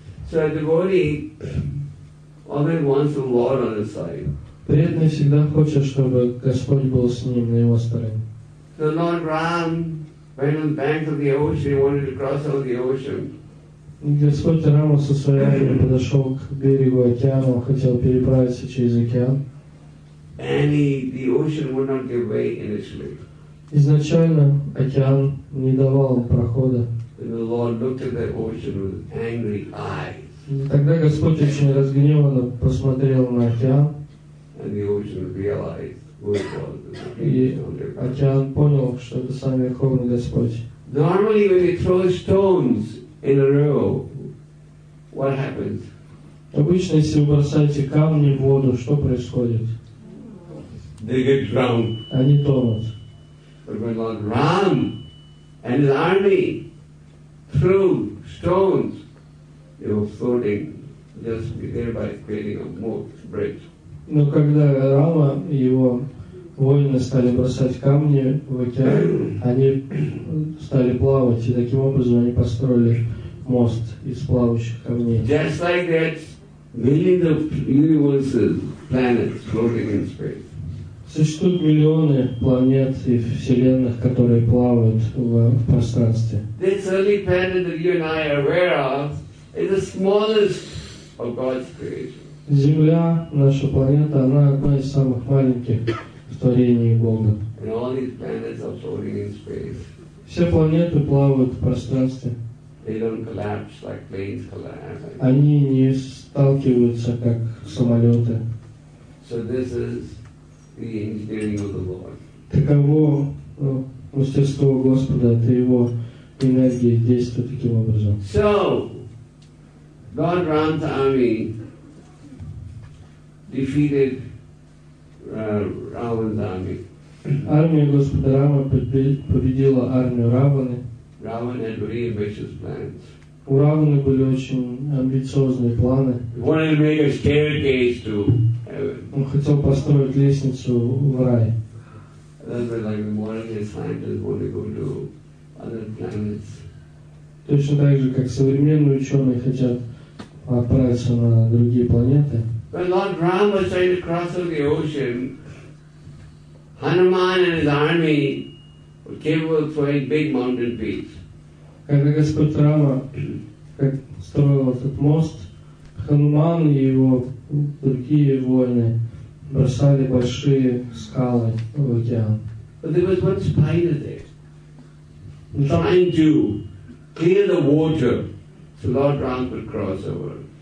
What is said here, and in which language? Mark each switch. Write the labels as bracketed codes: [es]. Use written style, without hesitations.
[en] So a devotee always wants the Lord on his side. [ru] Преданный всегда хочет, чтобы Господь был с ним на его стороне. [en] So Lord Ram went on the banks of the ocean, he wanted to cross over the ocean. [ru] Господь Рама со своей армией подошел к берегу океана, он хотел переправиться через океан. [en] The ocean would not give way initially. [ru] Изначально океан не давал прохода. [en] And the Lord looked at the ocean with angry eyes. [ru] Тогда Господь очень разгневанно посмотрел на океан. [en] And the ocean realized who it was. [ru] И океан понял, что это сам Верховный Господь. [en] Normally when you throw stones in a row, what happens? [ru] Обычно, если вы бросаете камни в воду, что происходит? [en] They get drowned. [ru] Они тонут. [en] But when Lord Ram and his army threw stones, they were floating, just thereby creating a moat bridge. [ru] Но когда Рама и его воины стали бросать камни в океан, они стали плавать, и таким образом они построили мост из плавающих камней. [en] Just like that, millions of universes, planets floating in space. [ru] Существуют миллионы планет и вселенных, которые плавают в пространстве. [en] This early planet that you and I are aware of is the smallest of God's creation. [ru] Земля, наша планета, она одна из самых маленьких в творении Бога. [en] And all these planets are floating in space. [ru] Все планеты плавают в пространстве. [en] They don't collapse like planes collapse. [ru] Они не сталкиваются как самолеты. [en] So this is the engineering of the Lord. [ru] Таково мастерство Господа, это его энергия действует таким образом. [en] So God Ram's army defeated Ravana's army. [ru] Армия Господа Рама победила армию Раваны. [en] Ravana had very ambitious plans. [ru] У Раваны были очень амбициозные планы. [en] He wanted to make a staircase to heaven. [ru] Он хотел построить лестницу в рай. [en] That's where like the modern day scientists want to go to other planets. [ru] Точно так же, как современные ученые хотят отправиться на другие планеты. [en] When Lord Rama was trying to cross the ocean, Hanuman and his army capable of throwing big mountain peaks. [ru] Когда Господь Рама строил этот мост, Хануман и его другие воины бросали большие скалы в океан. [en] But there was one spider there, trying to clear the water so Lord Ram could cross over.